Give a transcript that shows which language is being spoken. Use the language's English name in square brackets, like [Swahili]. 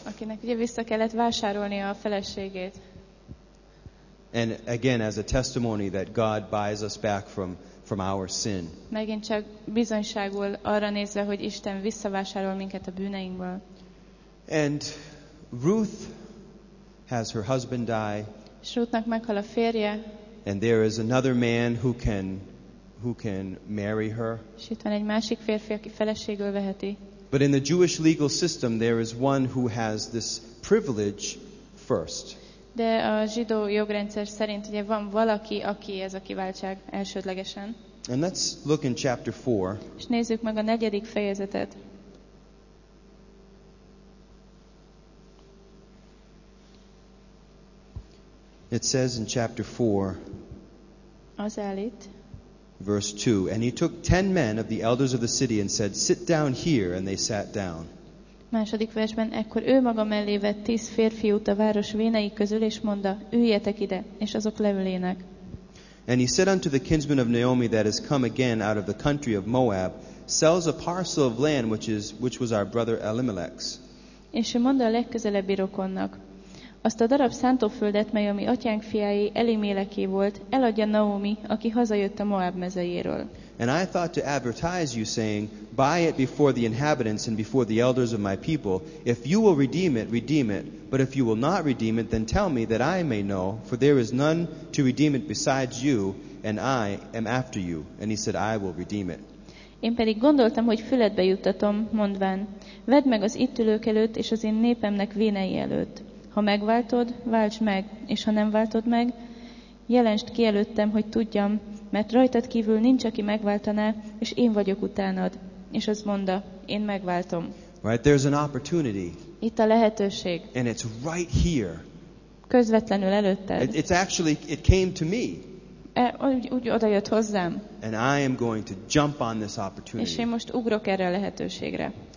[Hungarian] Akinek ugye vissza kellett vásárolnia a feleségét. [English] And again, as a testimony that God buys us back from our sin. [Hungarian] Megint csak bizonyságul arra nézve, hogy Isten visszavásárol minket a bűneinkből. [English] And Ruth has her husband die. [Hungarian] És Ruthnak meghal a férje. [English] And there is another man who can marry her. [Hungarian] És itt van egy másik férfi, aki feleségül veheti. [English] But in the Jewish legal system, there is one who has this privilege first. [Hungarian] De a zsidó jogrendszer szerint ugye van valaki, aki ez a kiváltság elsődlegesen. [English] And let's look in chapter 4. [Hungarian] És nézzük meg a negyedik fejezetet. [English] It says in chapter 4. [Hungarian] Az elit. [English] Verse 2, and he took 10 men of the elders of the city and said, sit down here, and they sat down. [Hungarian] Második versben, ekkor ő maga mellé vett 10 férfiút a város vénei közül, és mondta, üljetek ide, és azok leülének. [English] And he said unto the kinsman of Naomi that has come again out of the country of Moab, sells a parcel of land which was our brother Elimelech's. [Hungarian] És ő mondta a legközelebbi rokonnak, azt a darab szántóföldet, mely a mi atyánk fiái Elimeleké volt, eladja Naomi, aki hazajött a Moab mezejéről. [English] And I thought to advertise you, saying, buy it before the inhabitants and before the elders of my people. If you will redeem it, redeem it. But if you will not redeem it, then tell me that I may know, for there is none to redeem it besides you, and I am after you. And he said, I will redeem it. [Hungarian] Én pedig gondoltam, hogy füledbe juttatom, mondván, vedd meg az itt ülők előtt és az én népemnek vénei előtt. Ha megváltod, válts meg, és ha nem váltod meg, jelensd ki előttem, hogy tudjam, mert rajtad kívül nincs, aki megváltaná, és én vagyok utánad. És azt mondta, én megváltom. [English] Right, there's an opportunity. [Hungarian] Itt a lehetőség. [English] And it's right here. [Hungarian] Közvetlenül előtted. [English] It came to me. [Hungarian] Úgy odajött hozzám. [English] And I am going to jump on this opportunity. [Hungarian] És én most ugrok erre a lehetőségre.